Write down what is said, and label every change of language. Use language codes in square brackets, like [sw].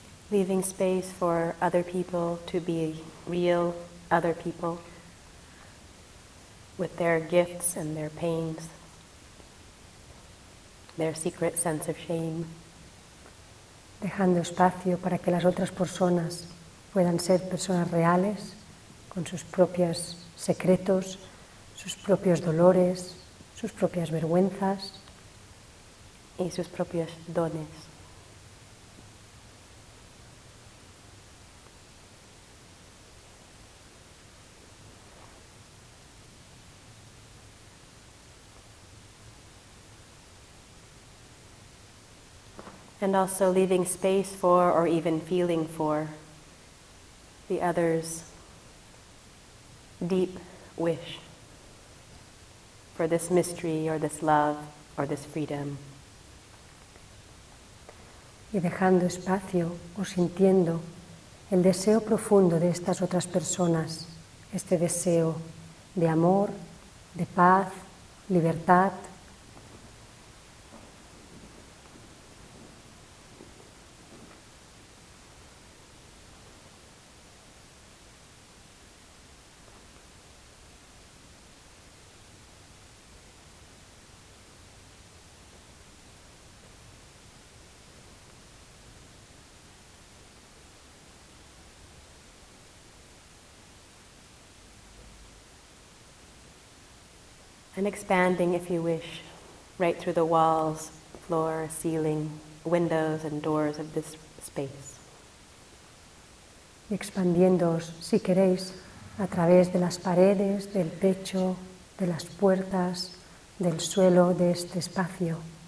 [en] leaving space for other people to be real other people with their gifts and their pains, their secret sense of shame. [es] Dejando espacio para que las otras personas puedan ser personas reales con sus propios secretos, sus propios dolores, sus propias vergüenzas y sus propios dones. [en] And also leaving space for, or even feeling for, the other's deep wish for this mystery, or this love, or this freedom. [es] Y dejando espacio, o sintiendo, el deseo profundo de estas otras personas, este deseo de amor, de paz, libertad. [en] And expanding, if you wish, right through the walls, floor, ceiling, windows, and doors of this space. [es] Expandiéndoos, si queréis, a través de las paredes, del techo, de las puertas, del suelo de este espacio.